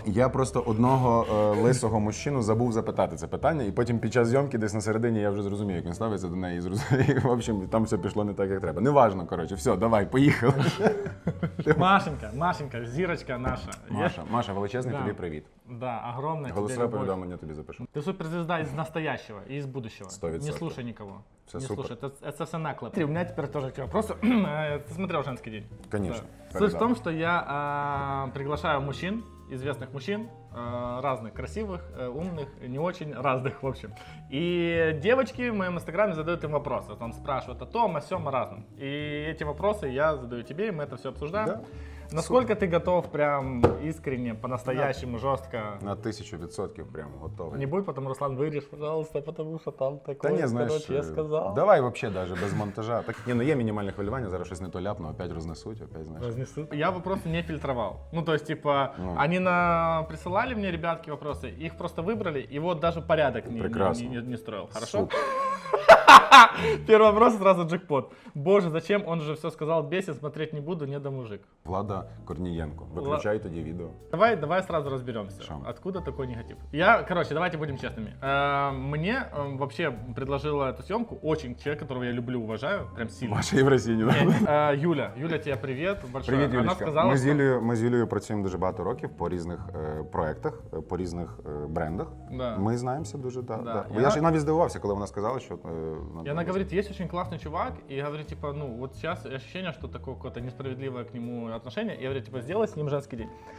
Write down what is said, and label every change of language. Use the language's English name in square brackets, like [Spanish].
[Ukrainian] Я просто одного лисого мужчину забув запитати це питання, і потім під час зйомки десь на середині я вже зрозумів, як він ставиться до неї. [Russian] В общем, [Ukrainian] там все пішло не так, як треба. [Russian] Неважно, [Ukrainian] коротше, все, давай, поїхали. Машенька, зірочка наша. Маша, величезний тобі привіт. [Russian] Да, огромное. [Ukrainian] Голосовое повідомлення тобі запишу. [Russian] Ты суперзвезда из настоящего и из будущего. 100%. Не слушай никого. Все не супер. Слушай, это все наклеп. Смотри, у меня теперь тоже к тебе вопрос. Ты смотрел «Женский день»? Конечно. Да. Суть в том, что я приглашаю мужчин, известных мужчин, разных, красивых, умных, не очень разных, в общем. И девочки в моем инстаграме задают им вопросы. Он спрашивает о том, о сём, о разном. И эти вопросы я задаю тебе, и мы это все обсуждаем. Да. Насколько ты готов прям искренне, по-настоящему, жестко? На 1000% прям готов. Не будет, потом Руслан вырежь, пожалуйста, потому что там такое, да не, знаешь, короче, я сказал. Давай вообще даже без монтажа. Так, не, ну есть минимальное хвилювання, [Ukrainian] зараз щось [Russian] не то ляпну, опять разнесуть, опять, знаешь. Разнесут. Я вопросы не фильтровал. Ну, то есть, типа, они присылали мне, ребятки, вопросы, их просто выбрали, и вот даже порядок не строил. Хорошо? Первый вопрос, сразу джекпот. Боже, зачем? Он же все сказал, бесит, смотреть не буду, не до мужик. [Ukrainian] Влада Корнієнко, выключай тоді відео. [Russian] Давай сразу разберемся. Шо? Откуда такой негатив? Короче, давайте будем честными. Мне вообще предложила эту съемку очень человек, которого я люблю, уважаю, прям сильно. Маша Євросініна. Да? Юля. Юля, тебе привет. Большое. Привет, Юлечка. Она сказала, [Ukrainian] ми з Юлею працюємо дуже багато років по різних проектах, по різних брендах. Да. Ми знаємося дуже, да. Да. Я ж навіть здивувався, коли вона сказала, що... [Russian] И она говорит, есть очень классный чувак, и говорит, типа, ну, вот сейчас ощущение, что такое какое-то несправедливое к нему отношение, и говорит, типа, сделай с ним женский день.